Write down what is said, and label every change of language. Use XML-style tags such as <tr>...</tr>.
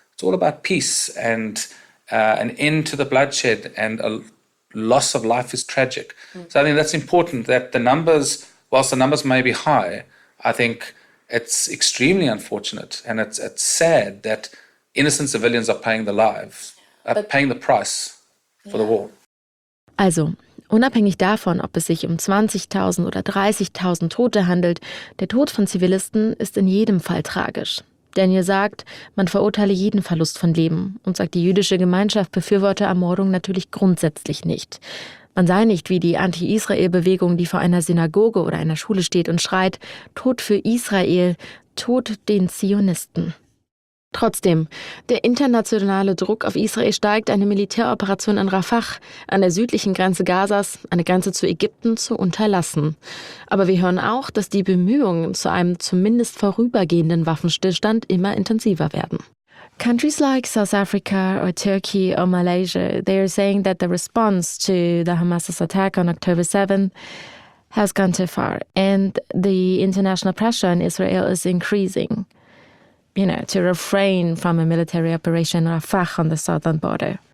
<en>It's all about peace and an end to the bloodshed, and a loss of life is tragic. Mm. So I think that's important that the numbers, whilst the numbers may be high, I think it's extremely unfortunate and it's sad that innocent civilians are paying the price for the war. Also,</en> <de>Unabhängig davon, ob es sich um 20.000 oder 30.000 Tote handelt, der Tod von Zivilisten ist in jedem Fall tragisch. Daniel sagt, man verurteile jeden Verlust von Leben und sagt, die jüdische Gemeinschaft befürworte Ermordung natürlich grundsätzlich nicht. Man sei nicht wie die Anti-Israel-Bewegung, die vor einer Synagoge oder einer Schule steht und schreit, Tod für Israel, Tod den Zionisten. Trotzdem, der internationale Druck auf Israel steigt, eine Militäroperation in Rafah, an der südlichen Grenze Gazas, eine Grenze zu Ägypten, zu unterlassen. Aber wir hören auch, dass die Bemühungen zu einem zumindest vorübergehenden Waffenstillstand immer intensiver werden.</de> <en>Countries like South Africa or Turkey or Malaysia, they are saying that the response to the Hamas's attack on October 7th has gone too far and the international pressure on Israel is increasing. You know, to refrain from a military operation in Rafah on the southern border.</en>